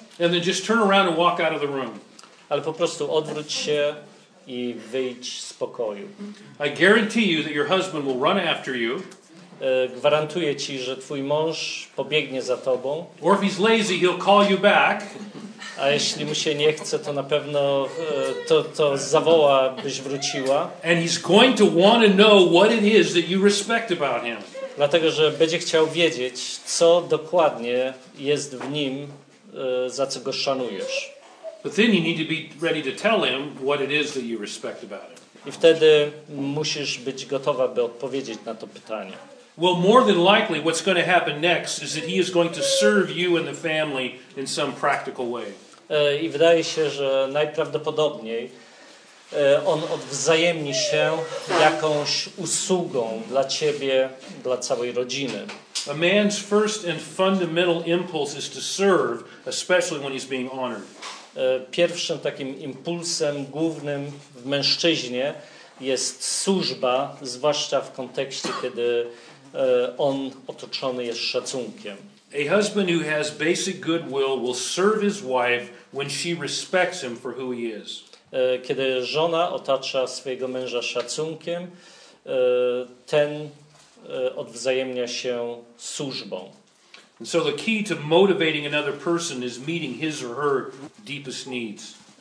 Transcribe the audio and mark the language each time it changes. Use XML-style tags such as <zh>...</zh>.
<en>And then just turn around and walk out of the room.</en> <pl>Ale po prostu odwróć się i wyjdź z pokoju.</pl> <en>I guarantee you that your husband will run after you.</en> <pl>Gwarantuję ci, że twój mąż pobiegnie za tobą.</pl> <en>Or if he's lazy, he'll call you back.</en> <pl>A jeśli mu się nie chce, to na pewno to zawoła, byś wróciła.</pl> <en>And he's going to want to know what it is that you respect about him.</en> <pl>Dlatego, że będzie chciał wiedzieć, co dokładnie jest w nim, za co go szanujesz.</pl> <en>But then you need to be ready to tell him what it is that you respect about him.</en> <pl>I wtedy musisz być gotowa, by odpowiedzieć na to pytanie.</pl> <en>Well, more than likely, what's going to happen next is that he is going to serve you and the family in some practical way.</en> <pl>I wydaje się, że najprawdopodobniej on odwzajemni się jakąś usługą dla ciebie, dla całej rodziny.</pl> <en>A man's first and fundamental impulse is to serve, especially when he's being honored.</en> <pl>Pierwszym takim impulsem głównym w mężczyźnie jest służba, zwłaszcza w kontekście, kiedy on otoczony jest szacunkiem.</pl> <en>A husband who has basic goodwill will serve his wife when she respects him for who he is.</en> <pl>Kiedy żona otacza swojego męża szacunkiem, ten odwzajemnia się służbą.</pl> <en>And so the key to motivating another person is meeting his or her deepest needs.</en>